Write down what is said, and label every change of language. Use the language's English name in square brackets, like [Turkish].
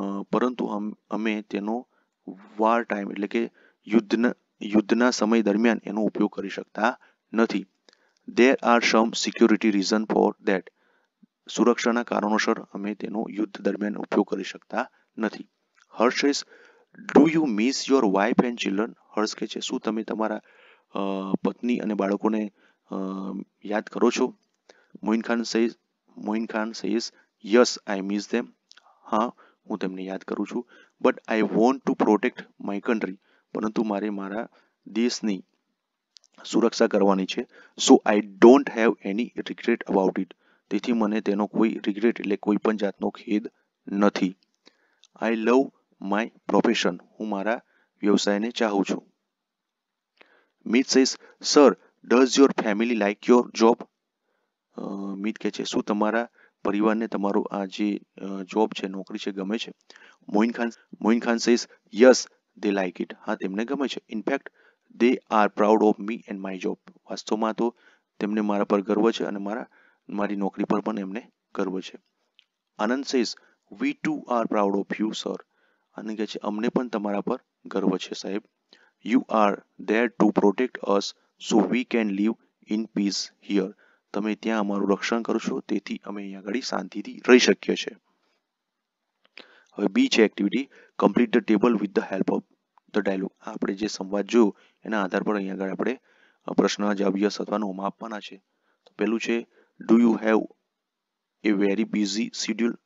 [Gujarati] પરંતુ અમે તેનો વાર ટાઈમ એટલે કે યુદ્ધના સમય દરમિયાન એનો ઉપયોગ કરી શકતા નથી. [English] There are some security reason for that. [Gujarati] સુરક્ષાના કારણોસર અમે તેનો યુદ્ધ દરમિયાન ઉપયોગ કરી શકતા નથી. [English] Harsh says, do you miss your wife and children? [Gujarati] હર્ષ કહે છે, શું તમે તમારા પત્ની અને બાળકોને યાદ કરો છો? [English] Moin Khan says, yes, I miss them. [Gujarati] હા, હું તેમને યાદ કરું છું. [English] But I want to protect my country. [Gujarati] પરંતુ મારે મારા દેશની સુરક્ષા કરવાની છે. [English] So I don't have any regret about it. [Gujarati] તેથી મને તેનો કોઈ રિગ્રેટ એટલે કોઈ પણ જાતનો ખેદ નથી. [English] I love my profession. [Gujarati] હું મારા વ્યવસાયને ચાહું છું. [English] Meet says, sir, does your family like your job? [Gujarati] મીત કહે છે, શું તમારા પરિવારને તમારો આ જે જોબ છે, નોકરી છે, ગમે છે? [English] Moin Khan says, yes, they like it. [Gujarati] હા, તેમને ગમે છે. [English] In fact they are proud of me and my job. [Gujarati] વાસ્તવમાં તો તેમને મારા પર ગર્વ છે અને મારી નોકરી પર પણ એમને ગર્વ છે. [English] Anand says, we too are proud of you, sir. [Gujarati] અને કહે છે, અમને પણ તમારા પર ગર્વ છે સાહેબ. [English] You are there to protect us so we can live in peace here. [Gujarati] તમે ત્યાં અમારું રક્ષણ કરો છો તેથી અમે અહીંયા ઘડી શાંતિથી રહી શકીએ છીએ. હવે બી છે [English] Activity, complete the table with the help of dialogue. [Gujarati] આપણે જે સંવાદ જોયો એના આધાર પર અહીંયા આગળ આપણે પ્રશ્ન જવાબ યસ અથવા નો માં આપવાના છે. પહેલું છે, [English] Do you have a very busy schedule?